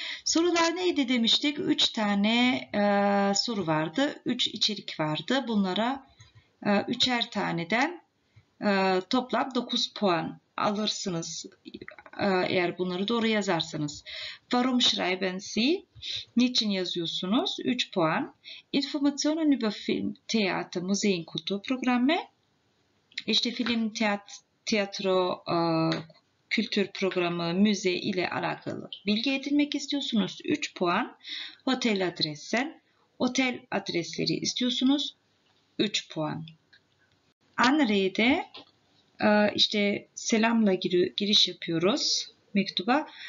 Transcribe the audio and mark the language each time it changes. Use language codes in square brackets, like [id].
[tr] Sorular neydi demiştik? 3 tane soru vardı. 3 içerik vardı. Bunlara 3'er taneden toplam 9 puan alırsınız eğer bunları doğru yazarsanız. [de] Warum schreiben Sie? [tr] Niçin yazıyorsunuz? 3 puan. [de] Informationen über Film, Theater, Museen, Kulturprogramme. [tr] İşte film, tiyatro, kültür programı, müze ile alakalı bilgi edinmek istiyorsunuz. 3 puan. Otel adresi. Otel adresleri istiyorsunuz. 3 puan. Anrede işte selamla giriş yapıyoruz mektuba.